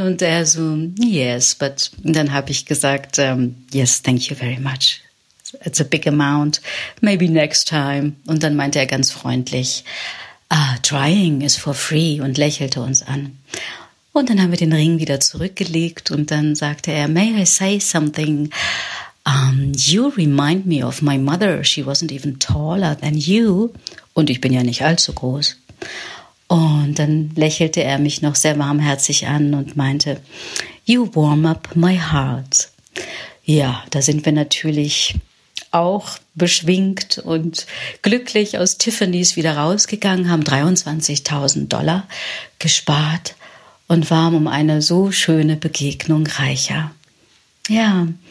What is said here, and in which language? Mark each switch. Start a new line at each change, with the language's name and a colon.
German: Und er so,
English: yes. But
German: dann habe ich gesagt,
English: yes, thank you very much. It's a big amount. Maybe next time.
German: Und dann meinte er ganz freundlich,
English: trying is for free
German: und lächelte uns an. Und dann haben wir den Ring wieder zurückgelegt und dann sagte er,
English: may I say something? You remind me of my mother. She wasn't even taller than you.
German: Und ich bin ja nicht allzu groß. Und dann lächelte er mich noch sehr warmherzig an und meinte,
English: you warm up my heart.
German: Ja, da sind wir natürlich auch beschwingt und glücklich aus Tiffany's wieder rausgegangen, haben $23,000 gespart und waren um eine so schöne Begegnung reicher. Ja,